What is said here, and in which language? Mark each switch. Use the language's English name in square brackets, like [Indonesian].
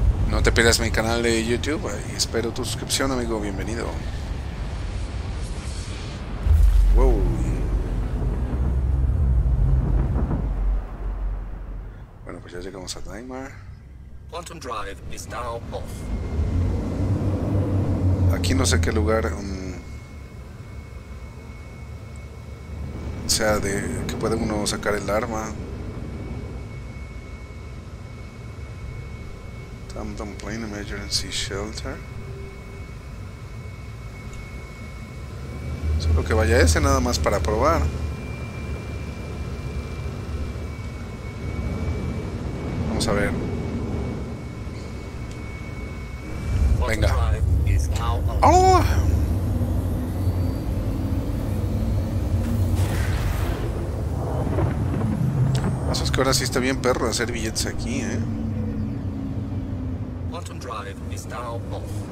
[Spanish] No te pierdas mi canal de YouTube y espero tu suscripción, amigo. Bienvenido. Wow. Bueno, pues ya llegamos a Daimar. [English] Quantum Drive is now off. [Spanish] Aquí no sé qué lugar sea de que puede uno sacar el arma. [English] Tamtam Plane Emergency Shelter. [Spanish] Solo que vaya ese nada más para probar. Vamos a ver. Venga. ¡Oh! Eso es que ahora sí está bien perro hacer billetes aquí, ¿eh? [English] Quantum Drive is now off.